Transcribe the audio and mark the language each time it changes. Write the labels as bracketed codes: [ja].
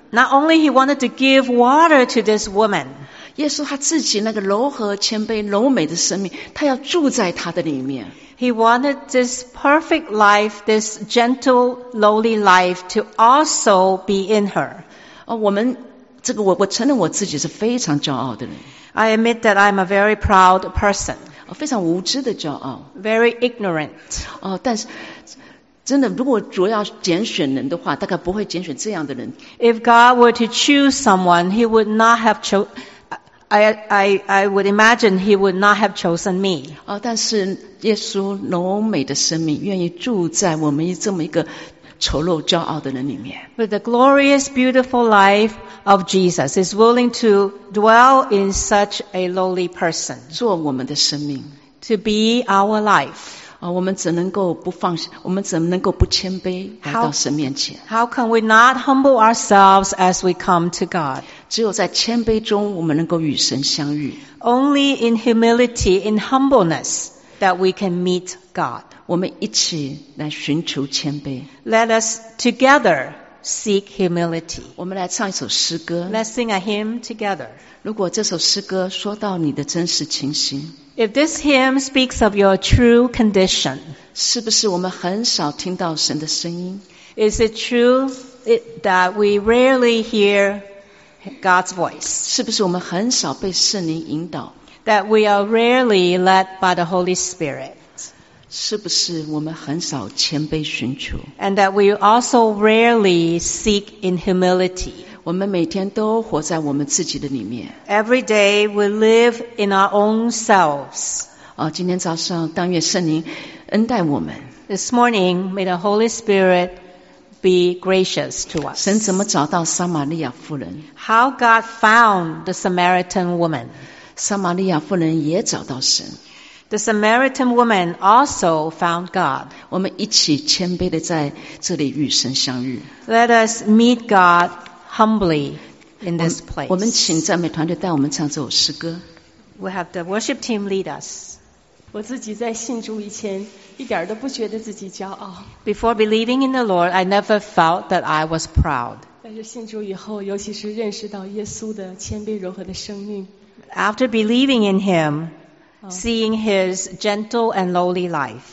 [en] Not only he wanted to give water to this woman. [zh] 耶稣他自己那个柔和谦卑柔美的生命，他要住在他的里面。 [en] He wanted this perfect life, this gentle, lowly life to also be in her. [zh] 我承认我自己是非常骄傲的人。 [en] I admit that I'm a very proud person. [zh] 非常无知的骄傲。 [en] Very ignorant. [zh] 但是真的，如果主要拣选人的话，大概不会拣选这样的人。 [en] If God were to choose someone, he would not have chosen. I would imagine he would not have chosen me. [zh] 但是耶稣柔美的生命愿意住在我们这么一个丑陋骄傲的人里面。 [en] But the glorious, beautiful life of Jesus is willing to dwell in such a lowly person. [zh] 做我们的生命。 [en] To be our life. [zh] 我们怎能够不放心，我们怎能够不谦卑来到神面前。 [en] How can we not humble ourselves as we come to God? [zh] 只有在谦卑中我们能够与神相遇。 [en] Only in humility, in humbleness, that we can meet God. [zh] 我们一起来寻求谦卑。 [en] Let us together seek humility. [zh] 我们来唱一首诗歌。 [en] Let's sing a hymn together. [zh] 如果这首诗歌说到你的真实情形。 [en] If this hymn speaks of your true condition. [zh] 是不是我们很少听到神的声音？ [en] Is it true that we rarely hear God's voice. [zh] 是不是我们很少被圣灵引导？ [en] That we are rarely led by the Holy Spirit. [zh] 是不是我们很少谦卑寻求？ [en] And that we also rarely seek in humility. [zh] 我们每天都活在我们自己的里面。 [en] Every day we live in our own selves. [zh] 今天早上，但愿圣灵恩待我们。 [en] This morning, may the Holy Spirit be gracious to us. [zh] 神怎么找到撒玛利亚妇人？ [en] How God found the Samaritan woman? [zh] 撒玛利亚妇人也找到神。 [en] The Samaritan woman also found God. [zh] 我们一起谦卑地在这里与神相遇。 [en] Let us meet God humbly in this place. [zh] 我们请赞美团队带我们唱这首诗歌。 [en] We have the worship team lead us. [zh] 我自己在信主以前一点都不觉得自己骄傲。 [en] Before believing in the Lord, I never felt that I was proud. [zh] 但是信主以后，尤其是认识到耶稣的谦卑柔和的生命。 [en] After believing in Him, seeing His gentle and lowly life.